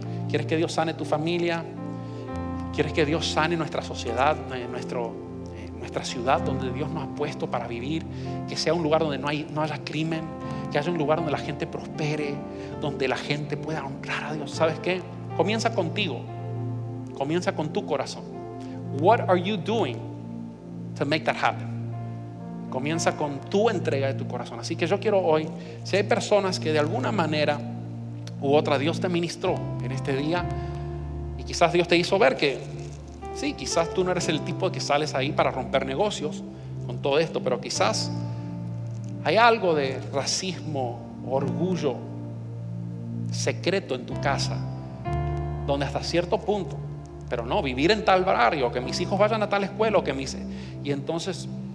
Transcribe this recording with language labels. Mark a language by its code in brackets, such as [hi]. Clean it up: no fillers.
[es] ¿Quieres que Dios sane tu familia? ¿Quieres que Dios sane nuestra sociedad, nuestra ciudad donde Dios nos ha puesto para vivir? Que sea un lugar donde no haya crimen, que haya un lugar donde la gente prospere, donde la gente pueda honrar a Dios. ¿Sabes qué? Comienza contigo. Comienza con tu corazón. [en] What are you doing to make that happen? [es] Comienza con tu entrega de tu corazón. Así que yo quiero hoy, si hay personas que de alguna manera u otra Dios te ministró en este día y quizás Dios te hizo ver que sí, quizás tú no eres el tipo que sales ahí para romper negocios con todo esto, pero quizás hay algo de racismo, orgullo secreto en tu casa, donde hasta cierto punto, pero no, vivir en tal barrio, que mis hijos vayan a tal escuela, o que mis, y entonces,